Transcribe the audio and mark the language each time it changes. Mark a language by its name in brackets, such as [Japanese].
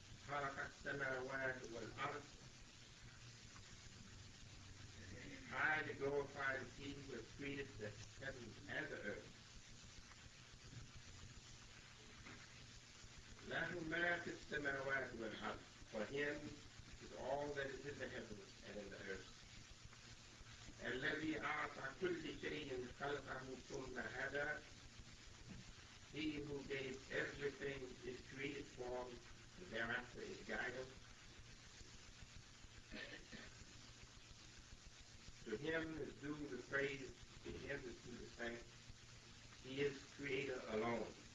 [Arabic] خلق السماوات والأرض. [English] High to glorify the He who has created the heavens and the earth. [Arabic] له ما في السماوات والأرض. [English] For Him is all that is in the heavens and in the earth. [Arabic] الذي أعطى كل شيء خلقه ثم هدى. [English] He who gave everything its created form. Thereafter is guided. To him is due the praise, to him is due the thanks. He is creator alone.